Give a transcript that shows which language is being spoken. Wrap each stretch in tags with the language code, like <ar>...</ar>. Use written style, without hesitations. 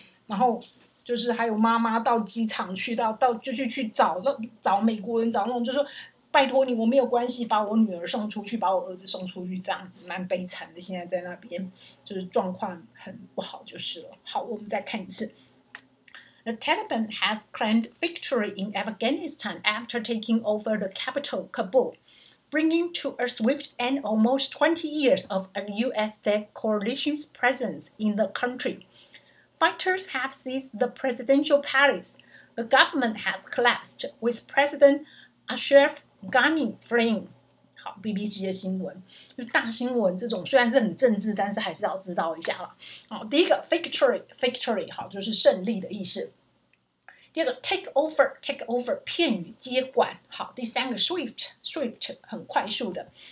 <zh>然后就是还有妈妈到机场去，到就去找美国人，找那种就说拜托你，我没有关系，把我女儿送出去，把我儿子送出去，这样子蛮悲惨的。现在在那边就是状况很不好就是了。好，我们再看一次。</zh> <en>The Taliban has claimed victory in Afghanistan after taking over the capital, Kabul, bringing to a swift end almost 20 years of a U.S.-led coalition's presence in the country. Fighters have seized the presidential palace. The government has collapsed, with President Ashraf Ghani fleeing.</en> <zh>好 ，BBC 的新闻，就大新闻这种，虽然是很政治，但是还是要知道一下了。好，第一个 victory， 好，就是胜利的意思。第二个 take over， 片语接管。好，第三个 swift， 很快速的。</zh>